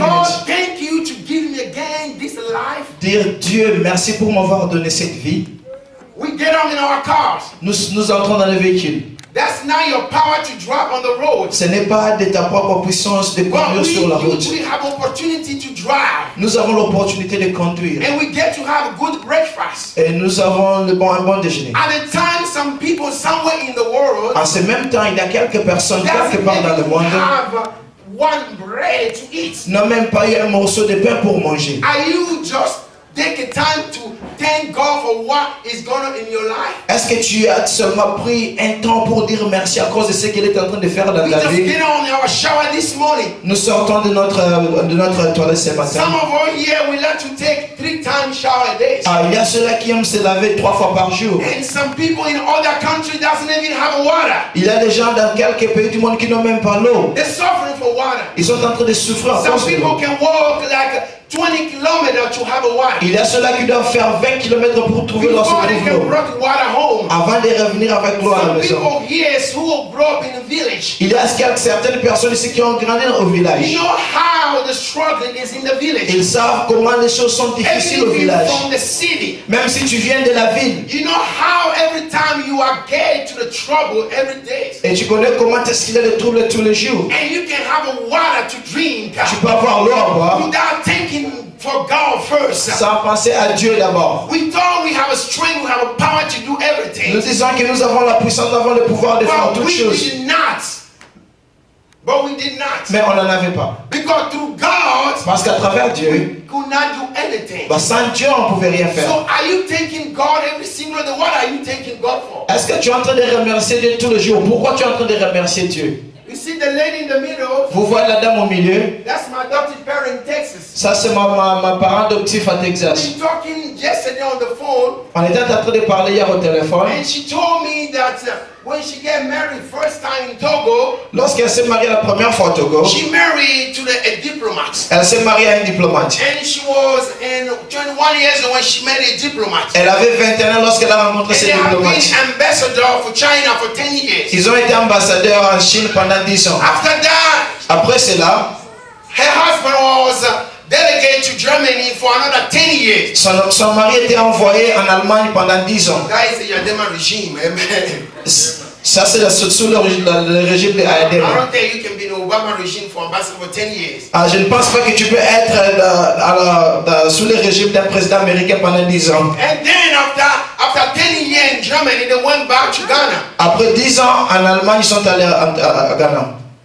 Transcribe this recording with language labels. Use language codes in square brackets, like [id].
[en] God, thank you to give me again this life. [fr] Dire Dieu, merci pour m'avoir donné cette vie. [en] We get on in our cars. [fr] Nous entrons dans le véhicule. [en] That's not your power to drive on the road. [fr] Ce n'est pas de ta propre puissance de conduire sur la route. [en] We have opportunity to drive. [fr] Nous avons l'opportunité de conduire. [en] And we get to have good breakfast. [fr] Et nous avons un bon déjeuner. [en] At a time, some people somewhere in the world. [fr] À ce même temps, il y a quelques personnes quelque part dans le monde. [en] One bread to eat. [fr] N'a même pas eu un morceau de pain pour manger. [en] Are you just take a time to thank God for what is going on in your life? [fr] Est-ce que tu as seulement pris un temps pour dire merci à cause de ce qu'il est en train de faire dans ta vie? [en] We just get on our shower this morning. [fr] Nous sortons de notre toilette ce matin. [en] Some of us here we like to take 3 times shower a day. [fr] Ah, il y a ceux-là qui aiment se laver 3 fois par jour. [en] And some people in other countries doesn't even have water. [fr] Il y a des gens dans quelques pays du monde qui n'ont même pas l'eau. [en] They're suffering for water. [fr] Ils sont en train de souffrir. [en] Some people can walk like 20 kilometers to have a water. [fr] Il y a ceux-là qui doivent faire 20 km pour trouver leur source de l'eau. Avant de revenir avec l'eau à la maison. Il y a certaines personnes ici qui ont grandi au village. [en] You know how the struggle is in the village. [fr] Ils savent comment les choses sont difficiles au village. [en] From the city. [fr] Même si tu viens de la ville. [en] You know how every time you are getting to the trouble every day. [fr] Et tu connais comment est-ce qu'il y a des troubles tous les jours. [en] And you can have a water to drink. [fr] Tu peux avoir l'eau à boire. [en] Without thinking for God first. [fr] Sans penser à Dieu d'abord. [en] We thought we have a strength, we have a power to do everything. [fr] Nous disons que nous avons la puissance, nous avons le pouvoir de [en] but [fr] faire toutes choses. [en] But we did not. [fr] Mais on n'en avait pas. [en] Because through God. [fr] Parce qu'à travers Dieu. [en] We could not do anything. [fr] Bah sans Dieu, on pouvait rien faire. [en] So are you thanking God every single day? What are you thanking God for? [fr] Est-ce que tu es en train de remercier Dieu tous les jours? Pourquoi tu es en train de remercier Dieu? [en] You see the lady in the middle. [fr] Vous voyez la dame au milieu. [en] That's my adopted parent in Texas. [fr] Ça c'est ma parent adoptif à Texas. [en] We talking yesterday on the phone. [fr] On était en train de parler hier au téléphone. [en] And she told me that when she get married first time in Togo. [fr] Lorsqu'elle s'est mariée la première fois au Togo. [en] She married to a diplomat. [fr] Elle s'est mariée à un diplomate. [en] And she was in 21 years when she married a diplomat. [fr] Elle avait 21 ans lorsqu'elle a rencontré ce diplomate. [en] They have been ambassador for China for 10 years. [fr] Ils ont été ambassadeurs en Chine pendant 10 ans. [en] After that. [fr] Après cela. [en] Her husband was delegate to Germany for another 10 years. [fr] Son mari était envoyé en Allemagne pendant 10 ans. [en] That is the Yadema regime. Amen. [fr] Ça c'est sous le régime de ADM. [en] I don't think you can be in Obama regime for ambassador for 10 years. [fr] Ah, je ne pense pas que tu peux être sous le régime d'un président américain pendant 10 ans. [en] And then after 10 years in Germany, they went back to Ghana. [fr] Après 10 ans en Allemagne, ils sont allés à Ghana.